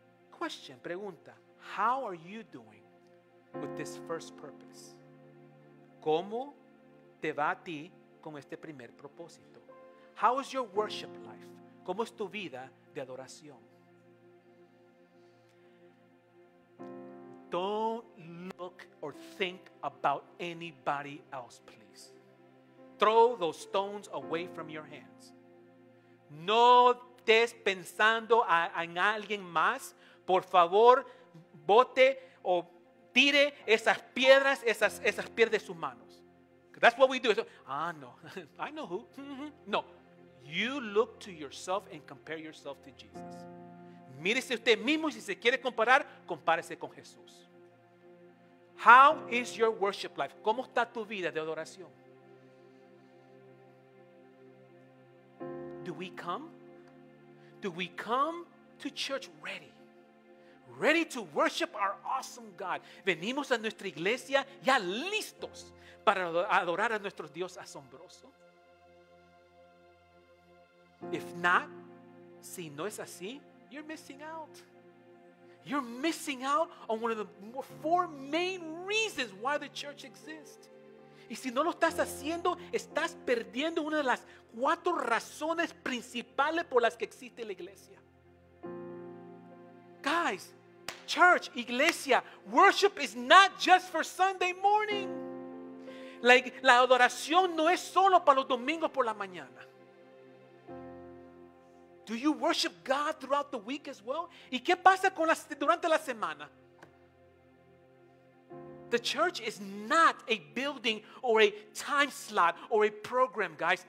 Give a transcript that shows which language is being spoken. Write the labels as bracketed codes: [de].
[en] Question, pregunta, how are you doing with this first purpose? [es] ¿Cómo te va a ti con este primer propósito? [en] How is your worship life? [es] ¿Cómo es tu vida de adoración? [en] Don't look or think about anybody else, please. Throw those stones away from your hands. [es] No estés pensando en alguien más. Por favor, bote o tire esas piedras, esas piedras de sus manos. [en] That's what we do. No. I know who. No. You look to yourself and compare yourself to Jesus. [es] Mírese usted mismo y si se quiere comparar, compárese con Jesús. [en] How is your worship life? [es] ¿Cómo está tu vida de adoración? [en] Do we come? Do we come to church ready? Ready to worship our awesome God. [es] ¿Venimos a nuestra iglesia ya listos para adorar a nuestro Dios asombroso? [en] If not, [es] si no es así, [en] you're missing out. You're missing out on one of the four main reasons why the church exists. [es] Y si no lo estás haciendo, estás perdiendo una de las cuatro razones principales por las que existe la iglesia. [en] Guys, church, iglesia, worship is not just for Sunday morning. [es] La adoración no es solo para los domingos por la mañana. [en] Do you worship God throughout the week as well? [es] ¿Y qué pasa con durante la semana? [en] The church is not a building or a time slot or a program, guys.